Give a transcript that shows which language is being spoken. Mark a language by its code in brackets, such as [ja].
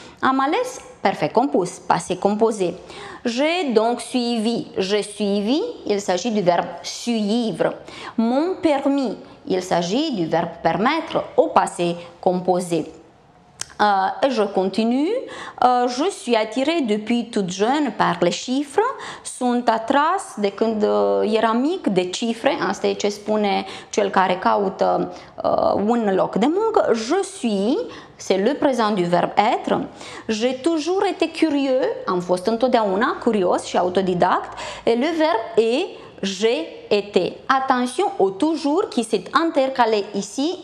[ro] Am ales, [fr] parfait compus, passé composé. J'ai donc suivi. J'ai suivi, il s'agit du verbe suivre. M'ont permis, il s'agit du verbe permettre au passé composé. Je continue. Je suis attirée depuis toute jeune par les chiffres. [ro] Sunt atras de când eram mic de cifre. Asta e ce spune cel care caută un loc de muncă. [fr] Je suis, c'est le présent du verbe être. J'ai toujours été curieux. [ro] Am fost întotdeauna curios și autodidact. [fr] Et le verbe est j'ai été. Attention au toujours qui s'est intercalé ici.